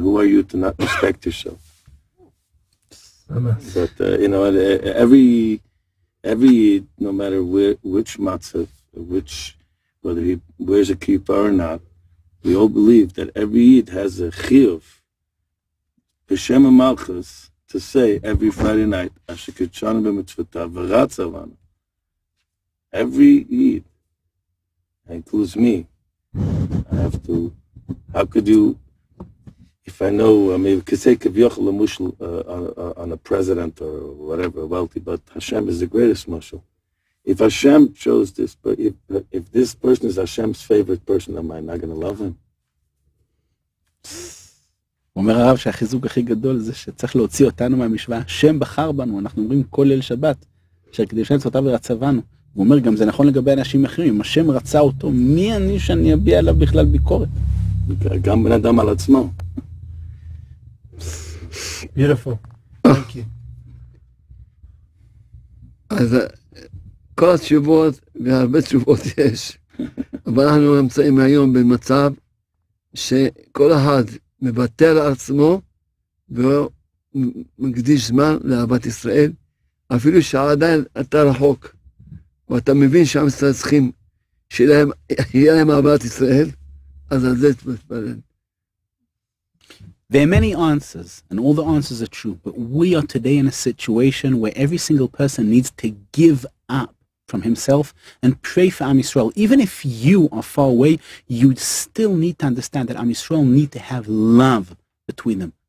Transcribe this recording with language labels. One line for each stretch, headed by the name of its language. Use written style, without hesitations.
English: Who are you to not respect yourself? But, you know, no matter which matzav, whether he wears a kippah or not, we all believe that every Yid has a chiyuv, b'shem ha-malchus, to say every Friday night,
Hebrew: asher kitshanu b'mitzvotav v'ratzav anu.
English: Every Yid. That includes me. I have to. How could you? If I know, I mean, we could say kevyochel a mushal on a president or whatever, wealthy, but Hashem is the greatest mushal. If Hashem chose this, but if this person is Hashem's favorite person, am I not going to love him?
Hebrew: אומר הרב שהחיזוק הכי גדול זה שצריך להוציא אותנו מהמשוואה. השם בחר בנו, אנחנו אומרים כל ליל שבת, שכדי לשנת אותה ורצבנו. הוא אומר גם, זה נכון לגבי אנשים אחרים, אם השם רצה אותו, מי אני שאני אביע עליו בכלל ביקורת? גם בן אדם על עצמו. אז כל התשובות והרבה תשובות יש, אבל אנחנו נמצאים היום במצב שכל אחד מבטל עצמו ומקדיש זמן לאהבת ישראל, אפילו שעדיין אתה רחוק, ואתה מבין שעם ישראל צריכים שיהיה להם אהבת ישראל, אז על זה תתפלל.
English: There are many answers, and all the answers are true, but we are today in a situation where every single person needs to give up from himself and pray for Am Yisrael. Even if you are far away, you still need to understand that Am Yisrael need to have love between them.